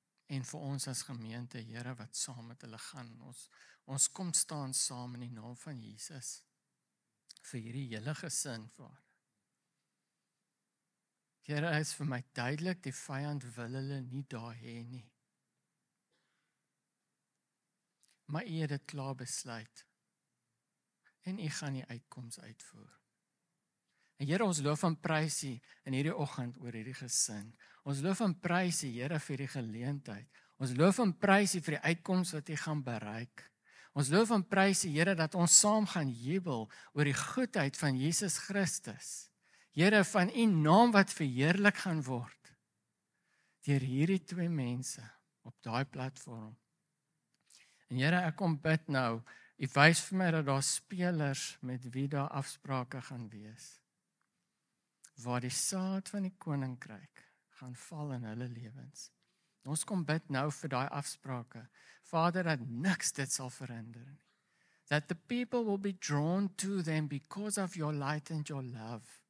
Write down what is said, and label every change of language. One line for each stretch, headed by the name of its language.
Afrikaans: En vir ons as gemeente, Here, wat saam met hulle gaan, ons kom staan saam in die naam van Jesus vir hierdie hele gesin voor. Here, is vir my duidelik, die vyand wil hulle nie daar hê nie. Maar U het dit klaar besluit. En U gaan die uitkoms uitvoer. En Here, ons loof en prys U in hierdie oggend oor hierdie gesin. Ons loof en prys U, Here, vir die geleentheid. Ons loof en prys U vir die uitkoms wat U gaan bereik. Ons loof en prys U, Here, dat ons saam gaan jubel oor die goedheid van Jesus Christus. Here, van U naam wat verheerlik gaan word. Deur hierdie twee mense op daai platform. En Here, ek kom bid nou. U wys vir my dat daar spelers met wie daar afsprake gaan wees. Waar die saad van die koninkryk gaan val in hulle lewens. Ons kom bid nou vir daai afsprake. Vader, dat niks dit sal verhinder nie.
English: That the people will be drawn to them because of your light and your love.